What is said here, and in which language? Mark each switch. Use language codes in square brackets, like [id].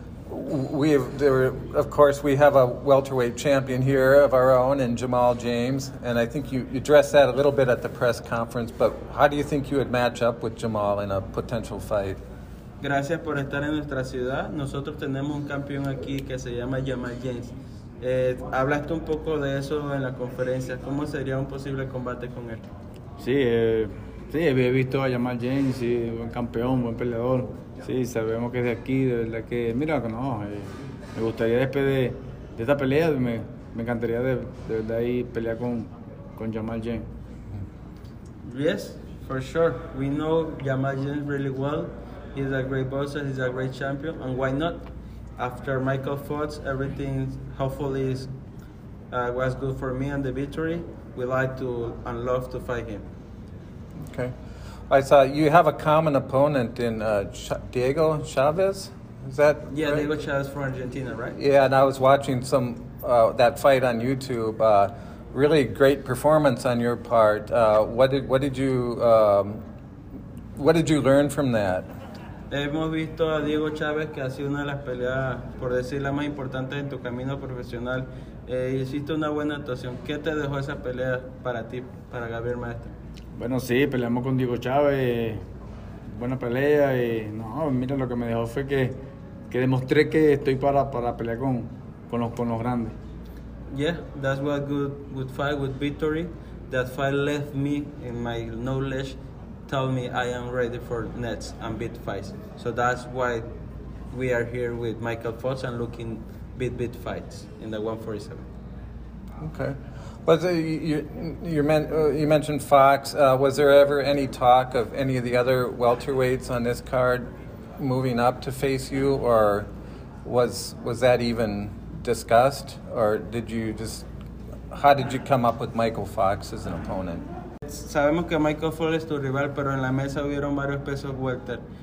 [en] We have a welterweight champion here of our own in Jamal James, and I think you addressed that a little bit at the press conference, but how do you think you would match up with Jamal in a potential fight? [es] Gracias por estar en nuestra ciudad. Nosotros tenemos un campeón aquí que se llama Jamal James. Hablaste un poco de eso en la conferencia. ¿Cómo sería un posible combate con él? Sí, he visto a Jamal James, sí, buen campeón, buen peleador. Sí, sabemos que es de aquí, de verdad que, mira, no, me gustaría después de esta pelea, me encantaría de verdad ir pelear con Jamal James. [en] Yes, for sure. We know Jamal James really well. He's a great boxer, he's a great champion, and why not? After Michael fought, everything hopefully was good for me and the victory. We like to and love to fight him. Okay. I saw you have a common opponent in Diego Chavez, is that Yeah, right? Diego Chavez from Argentina, right? Yeah, and I was watching some that fight on YouTube. Really great performance on your part. What did you learn from that? [es] Hemos visto a Diego Chavez que ha sido una de las peleas, por decir, la más importante en tu camino profesional. Hiciste una buena actuación. ¿Qué te dejó esa pelea para ti, para Gabriel Maestre? Bueno, sí, peleamos con Diego Chávez, buena pelea, y no, mira, lo que me dejó fue que demostré que estoy para pelear con los grandes. [en] Yeah, that's what good fight, good victory. That fight left me in my knowledge, told me I am ready for next and big fights. So that's why we are here with Michael Fox and looking big fights in the 147. Okay. Was you mentioned Fox. Was there ever any talk of any of the other welterweights on this card moving up to face you, or was that even discussed, or how did you come up with Michael Fox as an opponent? [es] Sabemos que Michael Fox es tu rival, pero en la mesa hubieron varios pesos welter.